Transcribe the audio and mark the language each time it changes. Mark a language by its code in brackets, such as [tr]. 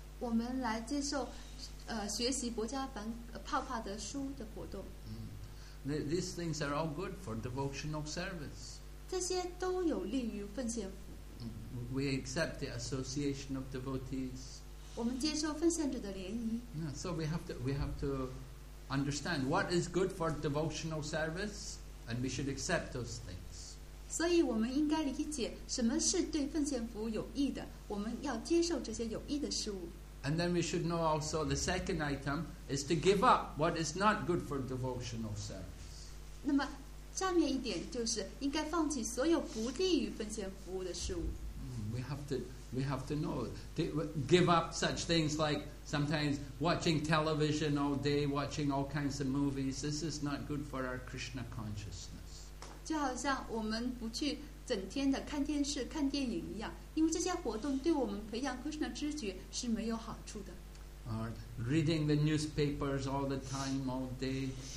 [zh] 我们来接受学习薄伽梵帕帕的书的活动。 [en] These things are all good for devotional service. [zh] 这些都有利于奉献服务。 [en] We accept the association of devotees. [zh] 我们接受奉献者的联谊。 [en] Yeah, so we have to understand what is good for devotional service, and we should accept those things. [zh] 所以我们应该理解什么是对奉献服务有益的，我们要接受这些有益的事物。 [en] And then we should know also the second item is to give up what is not good for devotional service. [zh] 那么下面一点就是应该放弃所有不利于奉献服务的事物。 [en] We have to know to give up such things like sometimes watching television all day, watching all kinds of movies. This is not good for our Krishna consciousness. [zh] 就好像我们不去整天的看电视看电影一样，因为这些活动对我们培养 Krishna 知觉是没有好处的。 [en] Or reading the newspapers all the time, all day.